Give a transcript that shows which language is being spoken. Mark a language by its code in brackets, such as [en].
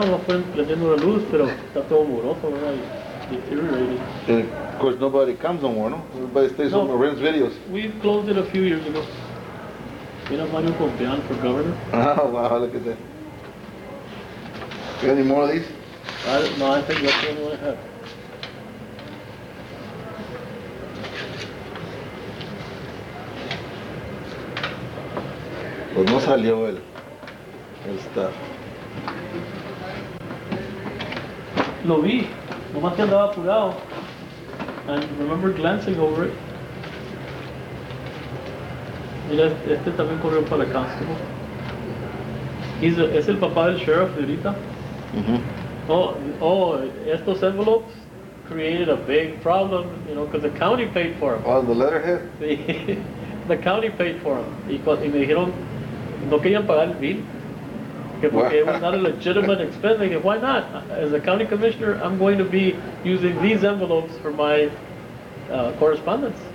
[es] No pueden prendiendo la luz, pero está todo moroso, ¿verdad? [en] Deteriorated. And of course, nobody comes no more, no? Everybody stays home and rents videos. We closed it a few years ago. [es] Mira [en] Mario Pompeán for governor. Oh, wow, look at that. You got any more of these? No, I think that's the only one I have. [es] Pues no salió él. El staff. Lo vi. Nomás que andaba apurado. [en] And remember glancing over it. [es] Mira, este también corrió para Castro. Es el papá del sheriff de ahorita. [en] Oh, [es] estos [en] envelopes created a big problem, you know, because the county paid for them. Oh, the letterhead? The county paid for them. [es] Y me dijeron, no querían pagar el bill. Que porque [en] it was not a legitimate expense. They said, why not? As a county commissioner, I'm going to be using these envelopes for my correspondence.